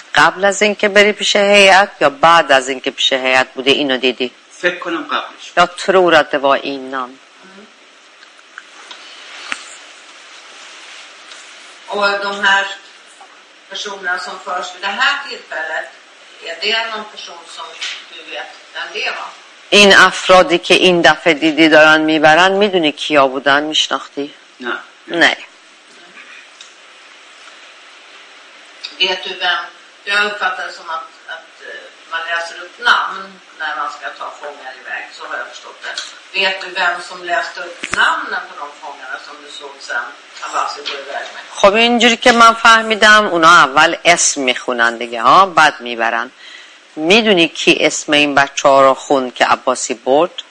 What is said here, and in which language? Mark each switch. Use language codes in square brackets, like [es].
[fa] قبل از اینکه بری پیش هیئت یا بعد از اینکه پیش هیئت بودی اینو دیدی؟ فکر کنم قبلش. [sv] Jag tror att det var innan. Och de här personerna som förs vid det här tillfället, är det någon person som du vet den leva? [fa] این افرادی که این دفعه دیدی دارن میبرن میدونی کیا بودن میشناختی؟ نه. نه. [sv] Vet du vem? Jag uppfattar som att man läser upp namn när man ska ta fångar iväg, så har jag förstått det. Vet du vem som läste upp namnen på de fångarna som du såg sen Abbasi går iväg med? [fa] خب اینجوری که من فهمیدم اونا اول اسم میخونن دیگه ها بعد میبرن. میدونی کی اسم این بچه ها رو خوند که عباسی برد؟